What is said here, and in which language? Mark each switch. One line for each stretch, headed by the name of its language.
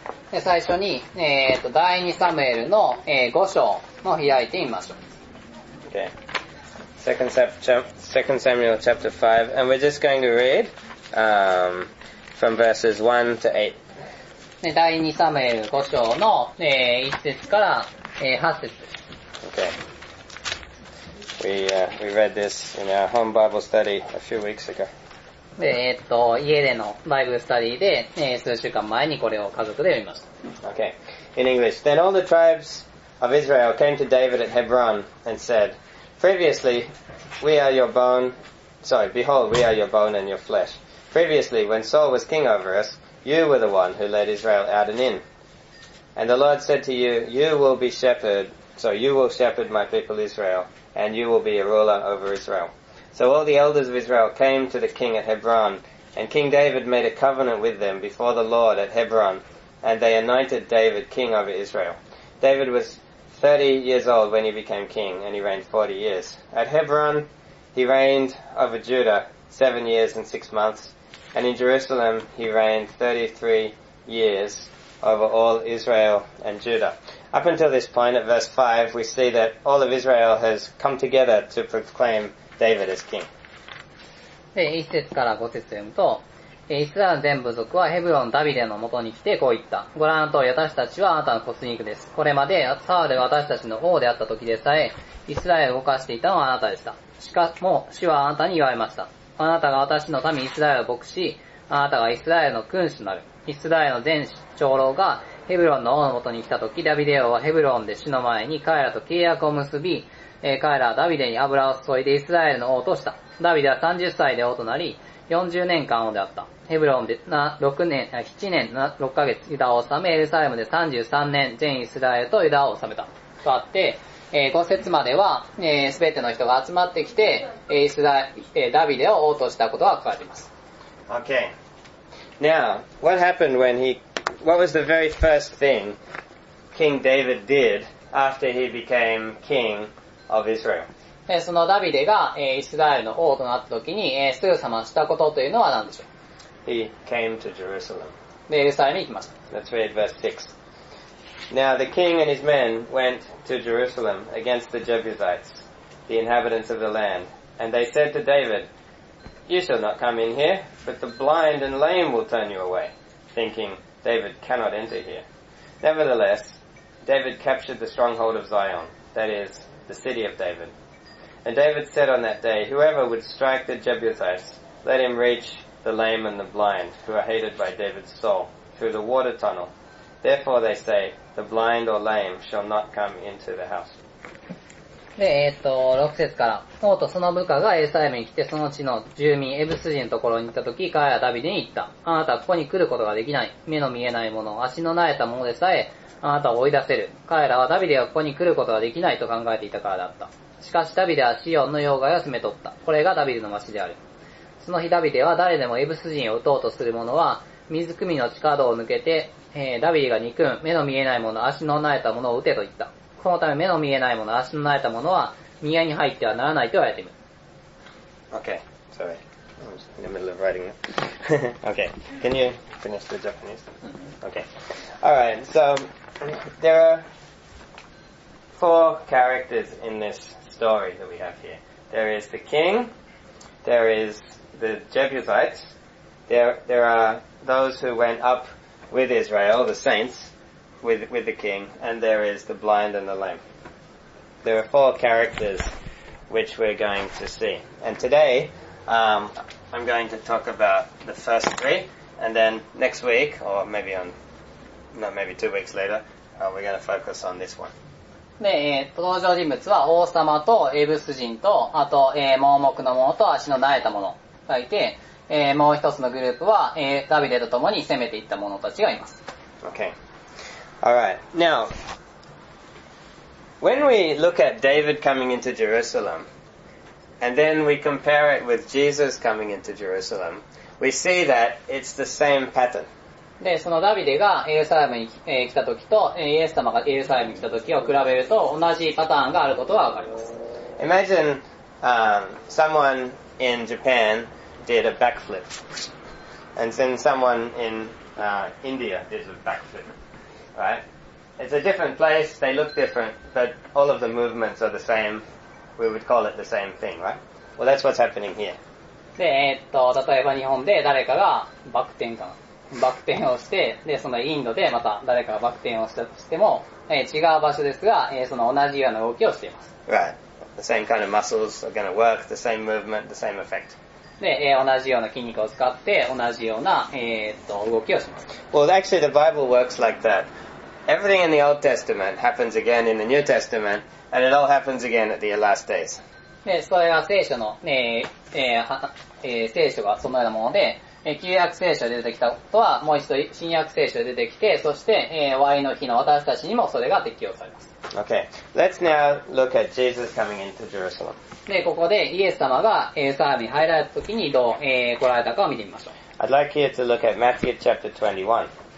Japanese: 最初に、第2サムエルの、5章を開いてみましょう。
English: Okay. 2 Samuel chapter 5, and we're just going to read, from verses 1 to 8.
Japanese: 第2サムエル5章の、1節から、8節です。
English: Okay. We read this in our home Bible study a few weeks ago.
Japanese: で、家でのバイブルスタディで、数週間前にこれを家族で読みました。
English: Okay. In English, then all the tribes of Israel came to David at Hebron and said, Previously, we are your bone, sorry, behold, we are your bone and your flesh. Previously, when Saul was king over us, you were the one who led Israel out and in. And the Lord said to you, you will shepherd my people Israel. And you will be a ruler over Israel. So all the elders of Israel came to the king at Hebron, and King David made a covenant with them before the Lord at Hebron, and they anointed David king over Israel. David was 30 years old when he became king, and he reigned 40 years. At Hebron, he reigned over Judah 7 years and 6 months, and in Jerusalem, he reigned 33 years over all Israel and Judah. Up until this point, at verse 5, we see that all of Israel has come together to proclaim David as king.
Japanese: で、1節から5節読むと、イスラエルの全部族はヘブロンダビデの元に来てこう言った。ご覧の通り私たちはあなたの骨肉です。これまでサウルは私たちの王であった時でさえイスラエルを動かしていたのはあなたでした。しかも主はあなたに言われました。あなたが私の民イスラエルを牧し、あなたがイスラエルの君主となる。イスラエルの全長老がヘブロンの王の元に来た時、ダビデ王はヘブロンで主の前に彼らと契約を結び、彼らはダビデに油を注いでイスラエルの王とした。ダビデは30歳で王となり、40年間王であった。ヘブロンで7年6ヶ月ユダを治め、エルサレムで33年全イスラエルとユダを治めた。とあって、5節までは、全ての人が集まってきて、ダビデを王としたことが書かれています。
English: Okay. Now, what happened when he, what was the very first thing King David did after he became king of Israel?
Japanese: そのダビデがイスラエルの王となった時にすぐさましたことというのは何でしょう。
English: He came to Jerusalem.
Japanese: エルサレムに行きました。
English: Let's read verse 6. Now the king and his men went to Jerusalem against the Jebusites, the inhabitants of the land. And they said to David, You shall not come in here, but the blind and lame will turn you away, thinking David cannot enter here. Nevertheless, David captured the stronghold of Zion, that is, the city of David. And David said on that day, whoever would strike the Jebusites, let him reach the lame and the blind, who are hated by David's soul, through the water tunnel. Therefore they say, the blind or lame shall not come into the house.
Japanese: で、6節から、王とその部下がエルサレムに来て、その地の住民エブス人のところに行ったとき、彼はダビデに言った。あなたはここに来ることができない。目の見えない者、足の慣れた者でさえ、あなたを追い出せる。彼らはダビデはここに来ることができないと考えていたからだった。しかしダビデはシオンの要害を攻め取った。これがダビデの町である。その日ダビデは誰でもエブス人を撃とうとする者は、水汲みの地下道を抜けて、ダビデが憎む、目の見えない者、足の慣れた者を撃てと言った。このため目の見えない者、足の慣れた者は、宮に入ってはならないと言われている。
English: Okay, sorry. I'm just in the middle of writing it. Okay, can you finish the Japanese? Okay. Alright, so, there are four characters in this. Story that we have here. There is the king, there is the Jebusites, there are those who went up with Israel, the saints, with the king, and there is the blind and the lame. There are four characters which we're going to see. And today, I'm going to talk about the first three, and then next week, or maybe on, no, maybe 2 weeks later, we're going to focus on this one.
Japanese: で、登場人物は王様とエブス人と、あと、盲目の者と足の慣れた者がいて、もう一つのグループは、ダビデと共に攻めていった者たちがいます。
English: Okay. Alright. Now, when we look at David coming into Jerusalem, and then we compare it with Jesus coming into Jerusalem, we see that it's the same pattern.
Japanese: で、そのダビデがエルサレムに来た時と、イエス様がエルサレムに来た時を比べると、同じパターンがあることがわかります。
English: Imagine, someone in Japan did a backflip. And then someone in, India did a backflip. Right? It's a different place, they look different, but all of the movements are the same. We would call it the same thing, right? Well, that's what's happening here.
Japanese: で、例えば日本で誰かがバク転かな。バク転をして、で、そのインドでまた誰かがバク転をしたとしても、違う場所ですが、その同じような動きをしています。
English: Right. The same kind of muscles are going to work, the same movement, the same effect.
Japanese: で、同じような筋肉を使って、同じような、動きをします。
English: Well, actually the Bible works like that. Everything in the Old Testament happens again in the New Testament, and it all happens again at the last days.
Japanese: で、それが聖書の、聖書がそのようなもので、旧約聖書で出てきたことはもう一度新約聖書で出てきて、そして終わりの日の私たちにもそれが適用されます。
English: Okay, let's now look at Jesus coming into Jerusalem.
Japanese: で、ここでイエス様がエルサレムに入られた時にどう、来られたかを見てみましょう。
English: I'd like you to look at Matthew chapter 21.